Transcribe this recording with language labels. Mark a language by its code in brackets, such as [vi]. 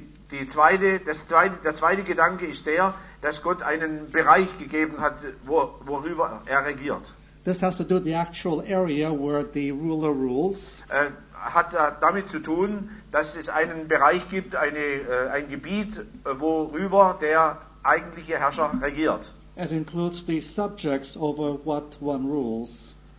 [de] Der zweite Gedanke ist der, dass Gott einen Bereich gegeben hat, worüber er regiert. [en] This has to do with the actual area where the ruler rules. [de] Hat damit zu tun, dass es einen Bereich gibt, ein Gebiet, worüber der eigentliche Herrscher regiert. [en] It includes the subjects over what one rules.